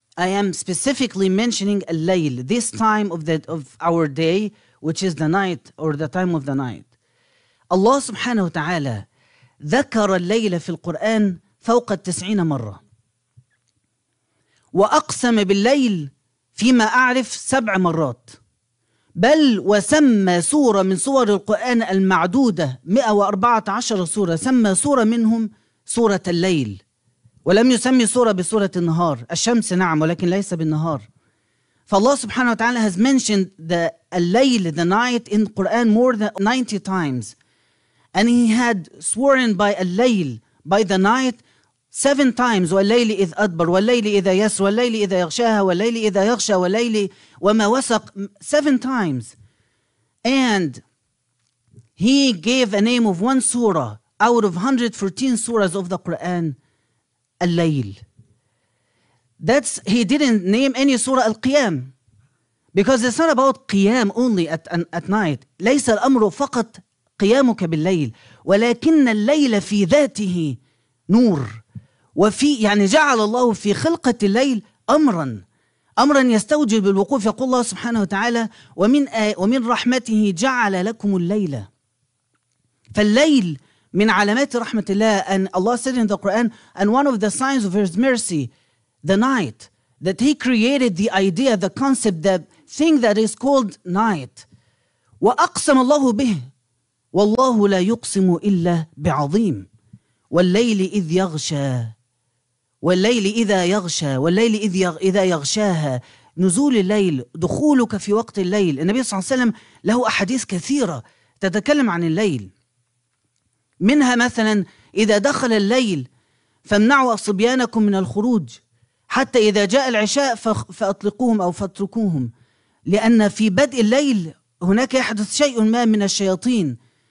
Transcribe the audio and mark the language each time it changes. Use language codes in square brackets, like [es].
[en] I am specifically mentioning الليل, this time of our day, which is the night or the time of the night. [ar] الله سبحانه وتعالى ذكر الليل في القرآن فوق 90 مرة. وأقسم بالليل فيما أعرف 7 مرات. بل وسمى سورة من سور القرآن المعدودة 114 سورة، سمى سورة منهم سورة الليل، ولم يسمي سورة بسورة النهار. الشمس نعم، ولكن ليس بالنهار. فالله سبحانه وتعالى [en] has mentioned the الليل the night in Quran more than 90 times. And he had sworn by الليل by the night 7 times. [ar] والليل إذ أدبر، والليل إذا يسر، والليل إذا يغشاها، والليل إذا يغشى، والليل وما وسق 7 times. [en] And he gave a name of one surah out of 114 surahs of the Quran, الليل. That's, he didn't name any surah al-qiyam, because it's not about qiyam only at night. [ar] ليس الأمر فقط قيامك بالليل، ولكن الليل في ذاته نور، وفي يعني جعل الله في خلقة الليل أمرا يستوجب الوقوف. يقول الله سبحانه وتعالى ومن رحمته جعل لكم الليل. فالليل من علامات رحمة الله. [en] And Allah said in the Quran, and one of the signs of His mercy, the night, that He created the idea, the concept, the thing that is called night. [ar] وأقسم الله به والله لا يقسم إلا بعظيم. والليل إذ يغشى، والليل إذا يغشى، والليل إذا يغشاها، نزول الليل، دخولك في وقت الليل. النبي صلى الله عليه وسلم له أحاديث كثيرة تتكلم عن الليل، منها مثلا إذا دخل الليل فامنعوا أصبيانكم من الخروج حتى إذا جاء العشاء فأطلقوهم أو فاتركوهم، لأن في بدء الليل هناك يحدث شيء ما من الشياطين.